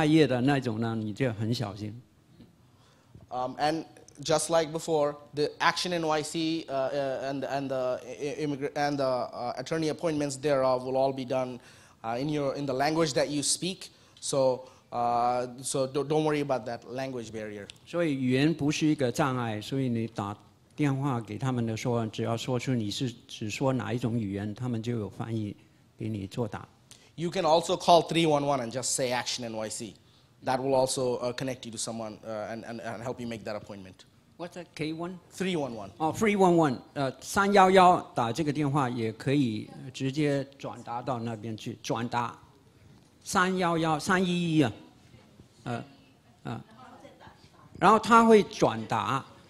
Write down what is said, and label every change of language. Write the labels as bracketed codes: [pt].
[zh] 被误导了，而且跑到一些什么法律事务所啊，根本没有执照的，在网上开业的那种呢，你就很小心。 [en] And just like before, the Action NYC and the attorney appointments thereof will all be done in the language that you speak. So don't worry about that language barrier. [zh] 所以语言不是一个障碍，所以你打。电话给他们的说，只要说出你是只说哪一种语言，他们就有翻译给你作答。 [en] You can also call 311 and just say Action NYC. That will also connect you to someone and help you make that appointment. What's that? K1? 311. [zh] 哦 ，311， 311打这个电话也可以直接转达到那边去，转达311啊，然后他会转达。